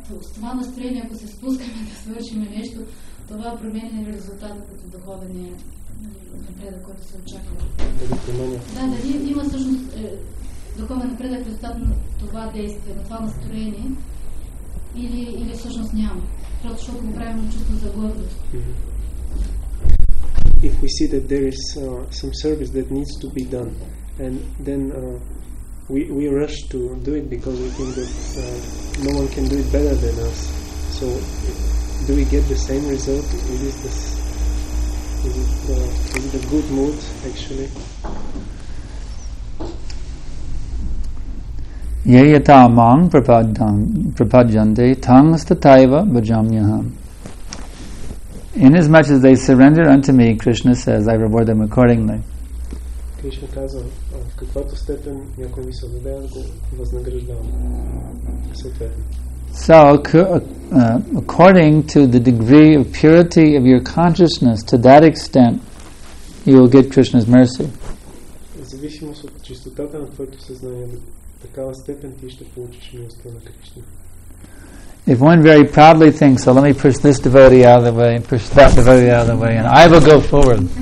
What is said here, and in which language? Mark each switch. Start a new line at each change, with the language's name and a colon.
Bulgarian: С това настроение, ако се спускаме да свършим нещо, това променя резултата като духовния напредък, който се очаква. Дали има всъщност духовен напредък в резултат на това действие, на това настроение, или всъщност няма? Просто защото го правим на чувство за гордост.
English: If we see that there is some service that needs to be done, and then we rush to do it because we think that no one can do it better than us. So, do we get the same result? Is it a good mood, actually?
Sanskrit: Yeyata mang prapadjante tangas tataiva bhajamyaham.
English: Inasmuch as they surrender unto me, Krishna says, I reward them accordingly.
Bulgarian: Krishna казва, в каквато степен някой ми се отдаде, го възнаграждавам съответно.
English: So, according to the degree of purity of your consciousness, to that extent, you will get Krishna's mercy.
Bulgarian: В зависимост от чистотата на твоето съзнание, до такава степен ти ще получиш милостта на Кришна.
English: If one very proudly thinks, so let me push this devotee out of the way and push that devotee out of the way and I will go forward.